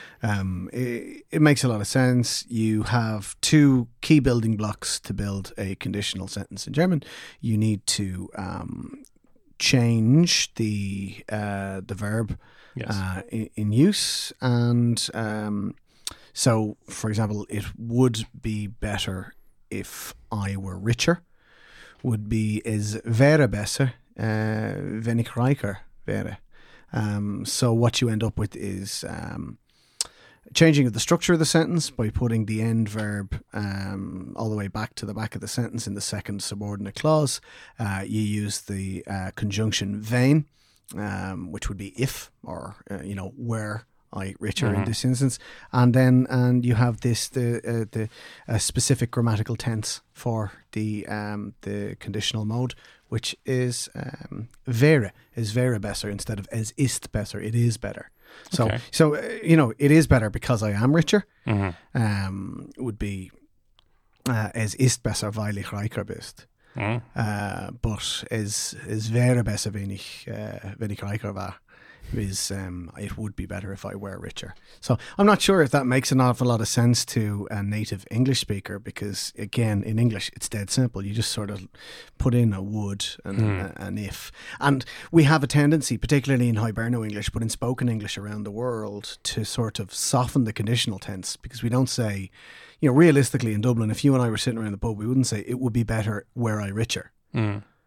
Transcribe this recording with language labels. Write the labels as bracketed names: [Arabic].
[English] It makes a lot of sense. You have two key building blocks to build a conditional sentence in German. You need to change the verb in use. And so, for example, it would be better if I were richer. Would be is [German] wäre besser, wenn ich reicher wäre. [English] So what you end up with is changing of the structure of the sentence by putting the end verb all the way back to the back of the sentence in the second subordinate clause. You use the conjunction wenn, which would be if, or were I richer in this instance, and you have this specific grammatical tense for the conditional mode, which is wäre, is wäre besser instead of [German] es ist besser, [English] it is better. So it is better because I am richer. Mm-hmm. Would be [German] es ist besser weil ich reicher bist. [English] But [German] es wäre besser wenn ich reicher war. [English] Is it would be better if I were richer. So I'm not sure if that makes an awful lot of sense to a native English speaker, because again, in English, it's dead simple. You just sort of put in a would and an if. And we have a tendency, particularly in Hiberno English, but in spoken English around the world, to sort of soften the conditional tense, because we don't say, realistically in Dublin, if you and I were sitting around the pub, we wouldn't say it would be better were I richer. Mm.